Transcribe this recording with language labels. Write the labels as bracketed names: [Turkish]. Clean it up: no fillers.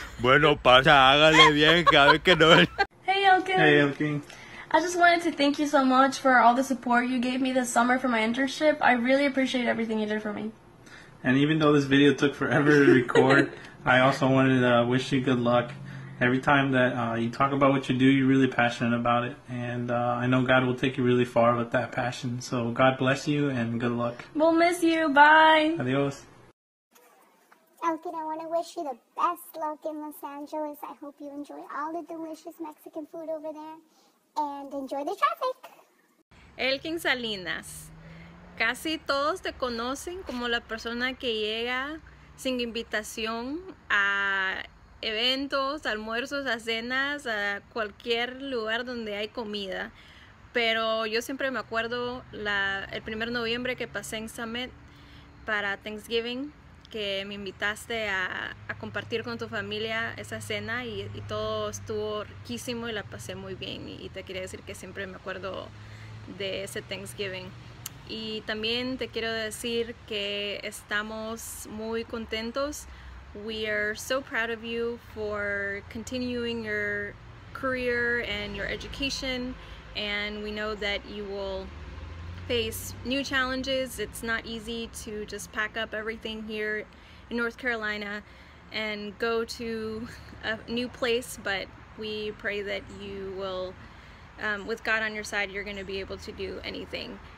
[Spanish] Bueno, parce, hágale bien, cada vez que no. [English] Hey, Elkin. Hey, Elkin. I just wanted to thank you so much for all the support you gave me this summer for my internship. I really appreciate everything you did for me. And even though this video took forever to record, I also wanted to wish you good luck. Every time that you talk about what you do, you're really passionate about it. And I know God will take you really far with that passion. So God bless you and good luck. We'll miss you. Bye. [Spanish] Adios. [English] Elkin, I want to wish you the best luck in Los Angeles. I hope you enjoy all the delicious Mexican food over there. And enjoy the traffic. Elkin Salinas. [Spanish] Casi todos te conocen como la persona que llega sin invitación a eventos, almuerzos, a cenas, a cualquier lugar donde hay comida. Pero yo siempre me acuerdo el primer noviembre que pasé en Summit para Thanksgiving, que me invitaste a compartir con tu familia esa cena y todo estuvo riquísimo y la pasé muy bien. Y te quería decir que siempre me acuerdo de ese Thanksgiving. Y también te quiero decir que estamos muy contentos. [English] We are so proud of you for continuing your career and your education, and we know that you will face new challenges. It's not easy to just pack up everything here in North Carolina and go to a new place, but we pray that you will, with God on your side, you're going to be able to do anything.